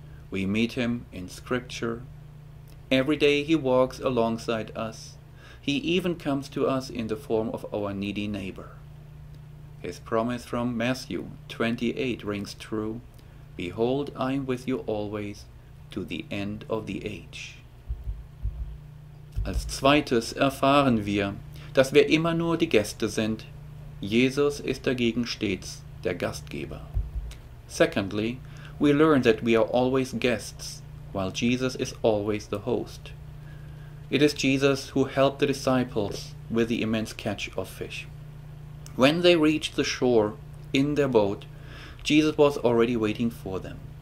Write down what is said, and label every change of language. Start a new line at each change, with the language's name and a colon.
English: We meet him in scripture. Every day he walks alongside us. He even comes to us in the form of our needy neighbor. His promise from Matthew 28 rings true. "Behold, I am with you always, to the end of the age."
German: Als zweites erfahren wir, dass wir immer nur die Gäste sind. Jesus ist dagegen stets der Gastgeber.
English: Secondly, we learn that we are always guests, while Jesus is always the host. It is Jesus who helped the disciples with the immense catch of fish. When they reached the shore in their boat, Jesus was already waiting for them.